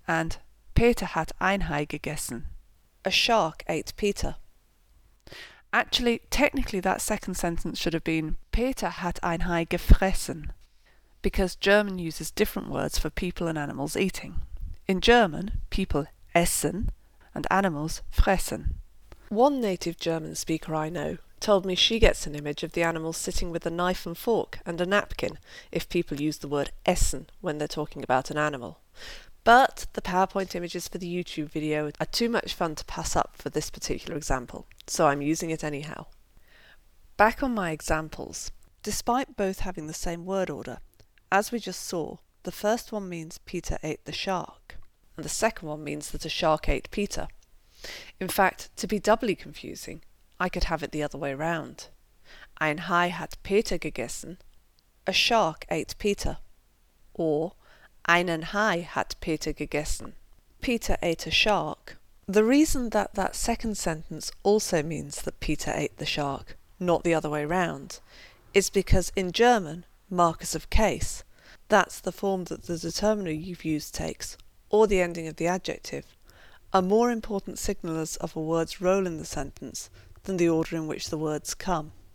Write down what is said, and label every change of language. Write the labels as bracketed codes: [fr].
[de] and Peter hat ein Hai gegessen, [en] a shark ate Peter. Actually, technically that second sentence should have been [de] Peter hat ein Hai gefressen, [en] because German uses different words for people and animals eating. In German, people essen and animals fressen. One native German speaker I know told me she gets an image of the animals sitting with a knife and fork and a napkin if people use the word essen when they're talking about an animal. But the PowerPoint images for the YouTube video are too much fun to pass up for this particular example, so I'm using it anyhow. Back on my examples, despite both having the same word order, as we just saw, the first one means Peter ate the shark. And the second one means that a shark ate Peter. In fact, to be doubly confusing, I could have it the other way round. [de] Ein Hai hat Peter gegessen. [en] A shark ate Peter. [de] Or, einen Hai hat Peter gegessen. [en] Peter ate a shark. The reason that that second sentence also means that Peter ate the shark, not the other way round, is because in German, Markers of Case, that's the form that the determiner you've used takes, or the ending of the adjective, are more important signalers of a word's role in the sentence than the order in which the words come.